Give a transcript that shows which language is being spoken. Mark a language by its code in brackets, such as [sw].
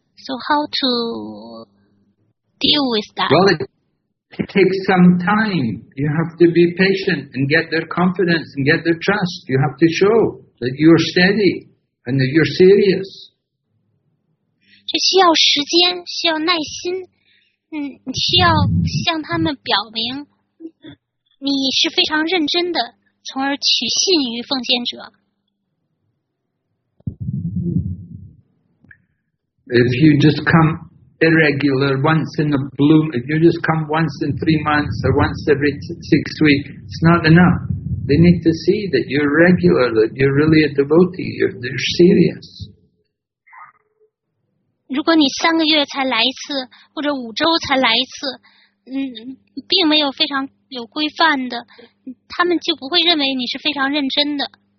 [en] So how to deal with that? Well, it takes some time. You have to be patient and get their confidence and get their trust. You have to show that you're steady and that you're serious. [zh] 这需要时间，需要耐心。嗯，需要向他们表明你是非常认真的。从而取信于奉献者。 [en] If you just come irregular once in a blue, if you just come once in 3 months or once every 6 weeks, it's not enough. They need to see that you're regular, that you're really a devotee, you're serious. [zh] 如果你三个月才来一次，或者五周才来一次，嗯，并没有非常。有规范的，他们就不会认为你是非常认真的。